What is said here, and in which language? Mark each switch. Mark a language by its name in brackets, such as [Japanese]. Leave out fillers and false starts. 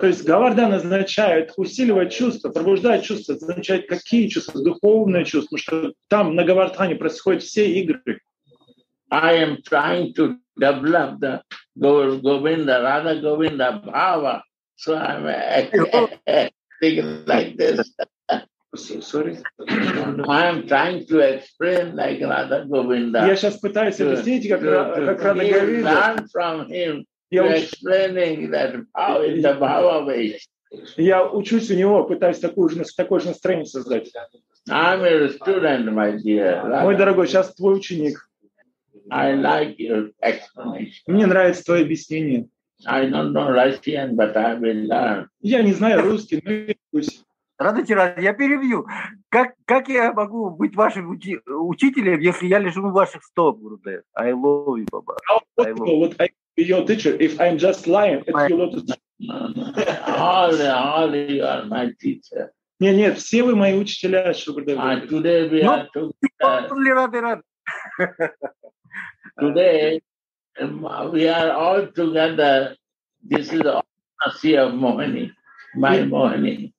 [Russian] То есть Говардан означает усиливать чувства, пробуждать чувства, означает какие чувства, духовные чувства, потому что там на Говардхане происходят все игры. [English] I am trying to develop the Govinda, Radha Govinda Bhava. So I'm acting like this. Sorry. I am trying to explain like Radha Govinda. [Russian] Я сейчас пытаюсь объяснить, как Radha Govinda. [English] Learn from him. Explaining that how in the Bhava way. [Russian] Я учусь у него, пытаюсь такое же настроение создать. [English] I'm a student, my dear. [Russian] Мой дорогой, сейчас твой ученик. [English] I like your explanation. [Russian] Мне нравится твое объяснение. [English] I don't know Russian, but I will learn. [Russian] Я не знаю русский, но я учусь. Радуйте, радуйте, я перебью. Как я могу быть вашим учителем, если я лежу у ваших стоп, Гурудев? [English] I love you, Baba. Вот I be your teacher, if I'm just lying, it's your lotus. Holy, you are my teacher. [Russian] Нет, все вы мои учителя, Шубрудев. [English] And today we are together. Today, we are all together. This is all a sea of Mohini. My Mohini.